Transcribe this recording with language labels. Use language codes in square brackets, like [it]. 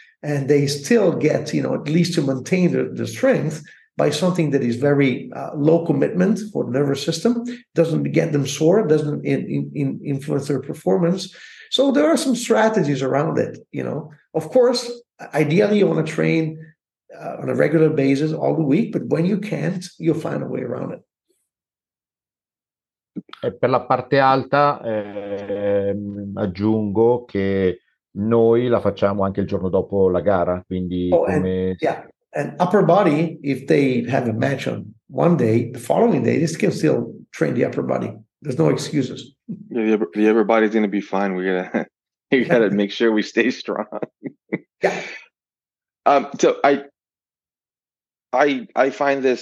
[en] And they still get, you know, at least to maintain the strength by something that is very low commitment for the nervous system, doesn't get them sore, doesn't influence their performance. So there are some strategies around it, you know. Of course, ideally you want to train on a regular basis all the week, but when you can't, you'll find a way around it. [it] E per la parte alta aggiungo che noi la facciamo anche il giorno dopo la gara, quindi [en] And upper body, if they have a match on one day, the following day, they can still train the upper body. There's no excuses. Yeah, the upper body's going to be fine. We gotta make sure we stay strong. So I find this.